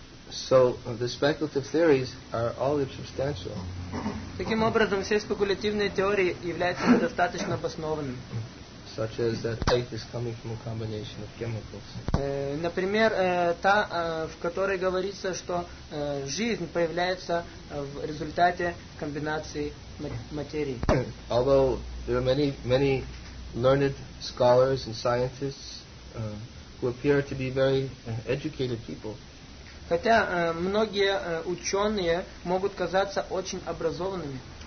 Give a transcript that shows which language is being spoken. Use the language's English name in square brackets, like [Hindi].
[English] So the speculative theories are all insubstantial. [Russian] Таким образом, все спекулятивные теории являются недостаточно обоснованными. [English] Such as that faith is coming from a combination of chemicals. [Russian] Например, та, в которой говорится, что жизнь появляется в результате комбинации материи. [English] Although there are many, many learned scholars and scientists who appear to be very educated people. [Russian] Хотя многие ученые могут казаться очень образованными.